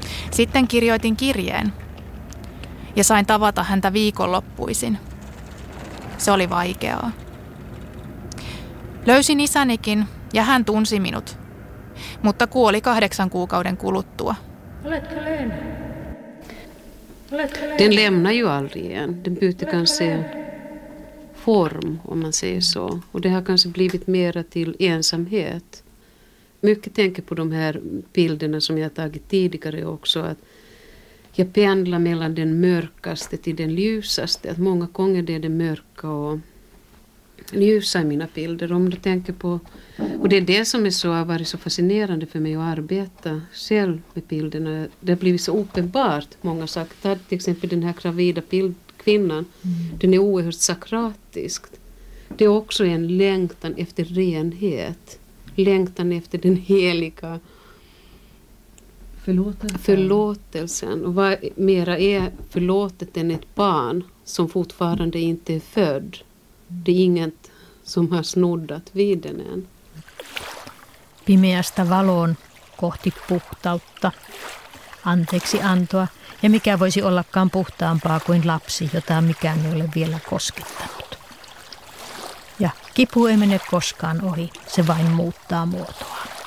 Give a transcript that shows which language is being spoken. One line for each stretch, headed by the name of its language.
Finnish: Sitten kirjoitin kirjeen. Ja sain tavata häntä viikonloppuisin. Se oli vaikeaa. Löysin isänikin ja hän tunsi minut, mutta kuoli 8 kuukauden kuluttua. Oletko Leena?
Swedish: Den lämnar ju aldrig igen. Den byter kanske form, om man säger så. Och det har kanske blivit mera till ensamhet. Mycket tänker på de här bilderna som jag tagit tidigare också, att jag pendlar mellan den mörkaste till den ljusaste. Att många gånger det är det mörka och ljusa i mina bilder. Om du tänker på, och det är det som är så, har varit så fascinerande för mig att arbeta själv med bilderna. Det har blivit så uppenbart, många saker. Ta till exempel den här gravida kvinnan. Den är oerhört sakratisk. Det är också en längtan efter renhet. Längtan efter den heliga förlåtelsen. Och vad mera är förlåtet än ett barn som fortfarande inte är född. Det är inget som har snoddat vid den än.
Finnish: Pimeästä valoon kohti puhtautta, anteeksi antoa. Ja mikä voisi ollakaan puhtaampaa kuin lapsi, jota mikään ei ole vielä koskettanut. Ja kipu ei mene koskaan ohi, se vain muuttaa muotoa.